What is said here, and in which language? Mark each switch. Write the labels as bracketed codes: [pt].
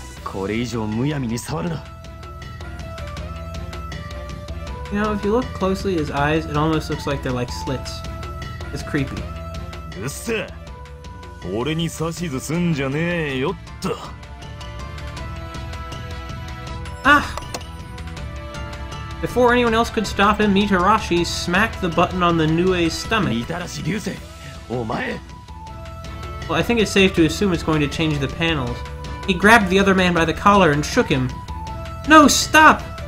[ja] これ以上むやみに触るな。 [en] You know, if you look closely at his eyes, it almost looks like they're like slits. It's creepy. [ja] うっせ! 俺に指図すんじゃねえよっと! Ah! [en] Before anyone else could stop him, Mitarashi smacked the button on the Nue's stomach. Mitarashi-ryusei! Well, I think it's safe to assume it's going to change the panels. He grabbed the other man by the collar and shook him. No, stop!